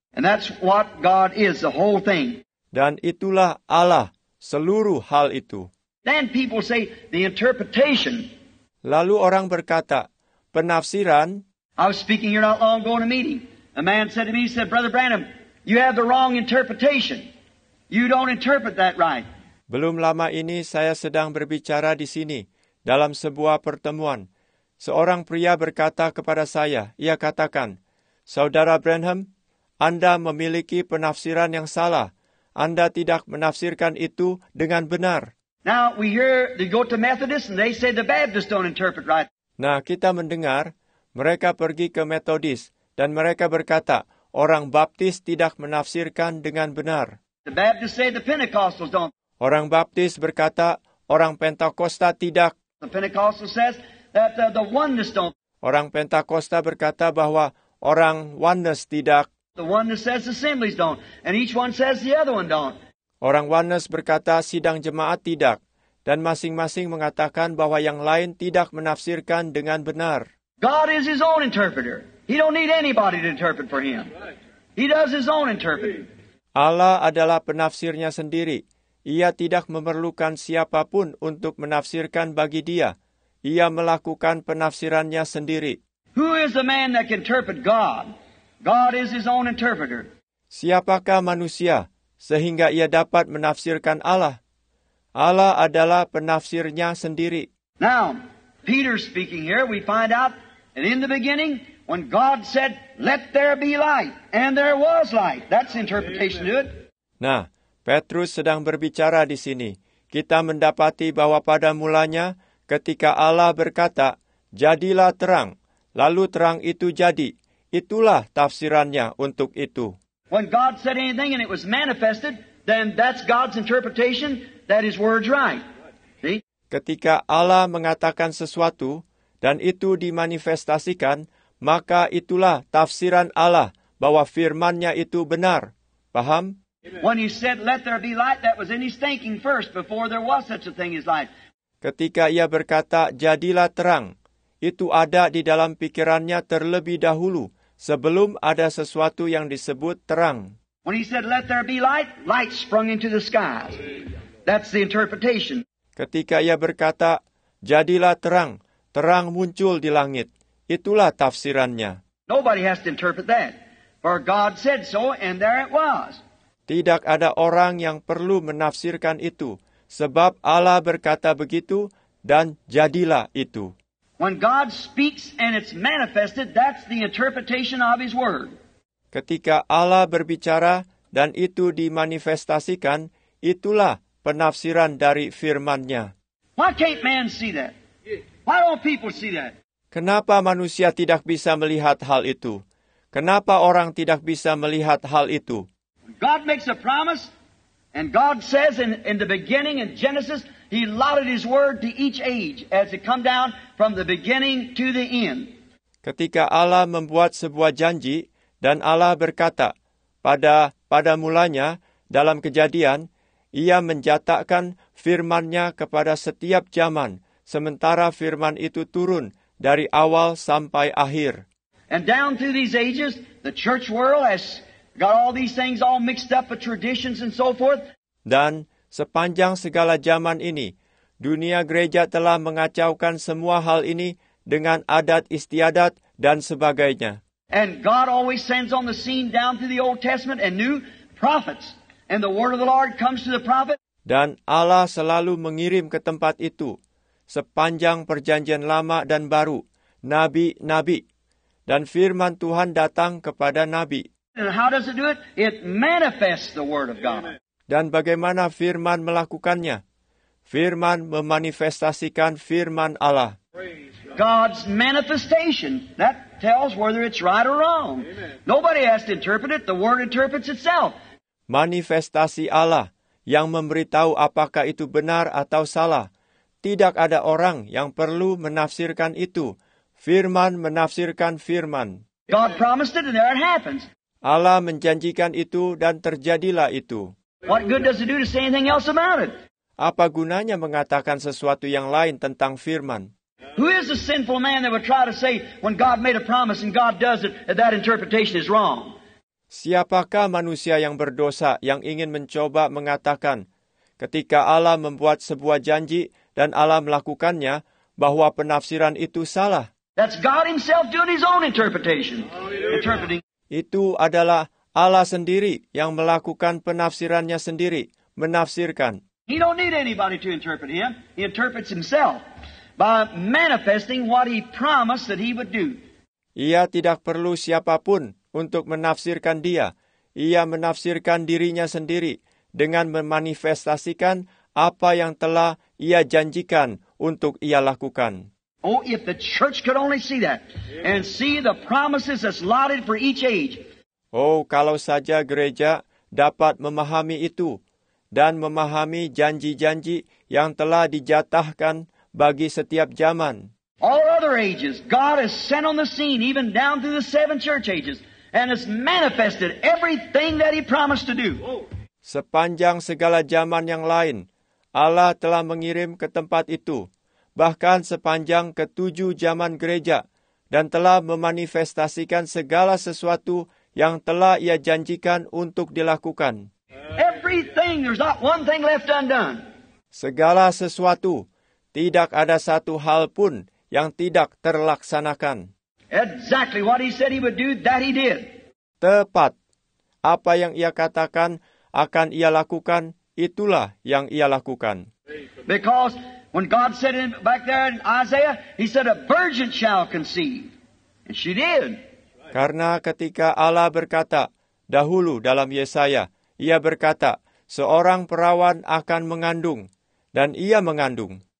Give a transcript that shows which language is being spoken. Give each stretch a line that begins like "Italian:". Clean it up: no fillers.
English: And that's what God is, the whole thing.
Indonesian: Dan itulah Allah, seluruh hal itu.
English: Then people say the interpretation.
Indonesian: Lalu orang berkata, penafsiran.
English: I was speaking here not long ago in a meeting. A man said to me, he said, Brother Branham, you have the wrong interpretation. You don't interpret that right.
Indonesian: Belum lama ini saya sedang berbicara di sini, dalam sebuah pertemuan. Seorang pria berkata kepada saya, ia katakan, Saudara Branham, Anda memiliki penafsiran yang salah. Anda tidak menafsirkan itu dengan benar.
English: Now we hear they go to Methodists and they say the Baptists don't interpret right.
Indonesian: Nah, kita mendengar mereka pergi ke Methodist dan mereka berkata orang Baptis tidak menafsirkan dengan benar.
English: The Baptists say the Pentecostals don't.
Indonesian: Orang Baptis berkata orang Pentakosta tidak.
English: The Pentecostal says that the oneness don't.
Indonesian: Orang Pentakosta berkata bahwa orang oneness tidak.
English: The oneness says the assemblies don't, and each one says the other one don't.
Indonesian: Orang Oneness berkata sidang jemaat tidak, dan masing-masing mengatakan bahwa yang lain tidak menafsirkan dengan benar.
English: God is his own interpreter. He don't need anybody to interpret for him. He does his own interpreting.
Indonesian: Allah adalah penafsirnya sendiri. Ia tidak memerlukan siapapun untuk menafsirkan bagi dia. Ia melakukan penafsirannya sendiri.
English: Who is the man that can interpret God? God is his own interpreter.
Indonesian: Siapakah manusia sehingga ia dapat menafsirkan Allah? Allah adalah penafsirnya sendiri.
English: Now, Peter speaking here, we find out that in the beginning, when God said, let there be light, and there was light. That's interpretation to it.
Indonesian: Nah, Petrus sedang berbicara di sini. Kita mendapati bahwa pada mulanya, ketika Allah berkata, jadilah terang, lalu terang itu jadi. Itulah tafsirannya untuk itu.
English: When God said anything and it was manifested, then that's God's interpretation that his word's right. See?
Indonesian: Ketika Allah mengatakan sesuatu dan itu dimanifestasikan, maka itulah tafsiran Allah bahwa firman-Nya itu benar. Paham?
English: When he said let there be light, that was in his thinking first before there was such a thing as light.
Indonesian: Ketika ia berkata jadilah terang, itu ada di dalam pikirannya terlebih dahulu. Sebelum ada sesuatu yang disebut terang.
English: When he said, let there be light, light sprung into the skies. That's the interpretation.
Indonesian: Ketika ia berkata, jadilah terang, terang muncul di langit. Itulah tafsirannya.
English: Nobody has to interpret that. For God said so, and there it was.
Indonesian: Tidak ada orang yang perlu menafsirkan itu. Sebab Allah berkata begitu, dan jadilah itu.
English: When God speaks and it's manifested, that's the interpretation of his word.
Indonesian: Ketika Allah berbicara dan itu dimanifestasikan, itulah penafsiran dari firman-Nya.
English: Why can't man see that? Why don't people see that?
Indonesian: Kenapa manusia tidak bisa melihat hal itu? Kenapa orang tidak bisa melihat hal itu?
English: God makes a promise and God says in the beginning in Genesis, he allotted his word to each age as it come down from the beginning to the end.
Indonesian: Ketika Allah membuat sebuah janji dan Allah berkata pada mulanya dalam kejadian, ia menjatakan firman-Nya kepada setiap zaman sementara firman itu turun dari awal sampai akhir.
English: And down through these ages, the church world has got all these things all mixed up with traditions and so forth.
Indonesian: Dan sepanjang segala zaman ini, dunia gereja telah mengacaukan semua hal ini dengan adat istiadat dan sebagainya.
English: And God always sends on the scene down through the Old Testament and new prophets. And the word of the Lord comes to the prophet.
Indonesian: Dan Allah selalu mengirim ke tempat itu sepanjang perjanjian lama dan baru, nabi-nabi. Dan firman Tuhan datang kepada nabi.
English: And how does it do it? It manifests the word of God.
Indonesian: Dan bagaimana firman melakukannya? Firman memanifestasikan firman Allah.
English: God's manifestation, that tells whether it's right or wrong. Nobody has to interpret it, the word interprets itself.
Indonesian: Manifestasi Allah yang memberitahu apakah itu benar atau salah. Tidak ada orang yang perlu menafsirkan itu. Firman menafsirkan firman.
English: God promised it and there it happens.
Indonesian: Allah menjanjikan itu dan terjadilah itu.
English: What good does it do to say anything else about it?
Indonesian: Apa gunanya mengatakan sesuatu yang lain tentang firman?
English: Who is a sinful man that would try to say when God made a promise and God does it that interpretation is wrong?
Indonesian: Siapakah manusia yang berdosa yang ingin mencoba mengatakan ketika Allah membuat sebuah janji dan Allah melakukannya bahwa penafsiran itu salah?
English: That's God himself doing his own interpretation. Interpreting.
Indonesian: Itu adalah Allah sendiri yang melakukan penafsirannya sendiri, menafsirkan.
English: He don't need anybody to interpret him. He interprets himself by manifesting what he promised that he would do.
Indonesian: Ia tidak perlu siapapun untuk menafsirkan dia. Ia menafsirkan dirinya sendiri dengan memanifestasikan apa yang telah ia janjikan untuk ia lakukan.
English: Oh, if the church could only see that and see the promises that's allotted for each age.
Indonesian: Oh, kalau saja gereja dapat memahami itu dan memahami janji-janji yang telah dijatahkan bagi setiap zaman.
English: All other ages, God has sent on the scene even down through the seven church ages. And has manifested everything that he promised to do.
Indonesian: Sepanjang segala zaman yang lain, Allah telah mengirim ke tempat itu, bahkan sepanjang ketujuh zaman gereja, dan telah memanifestasikan segala sesuatu yang telah ia janjikan untuk dilakukan.
English: Everything, there's not one thing left undone.
Indonesian: Segala sesuatu, tidak ada satu hal pun yang tidak terlaksanakan.
English: Exactly what he said he would do, that he did.
Indonesian: Tepat. Apa yang ia katakan akan ia lakukan, itulah yang ia lakukan.
English: Because when God said it back there in Isaiah, he said a virgin shall conceive. And she did.
Indonesian: Karena ketika Allah berkata, dahulu dalam Yesaya, ia berkata, seorang perawan akan mengandung, dan ia mengandung.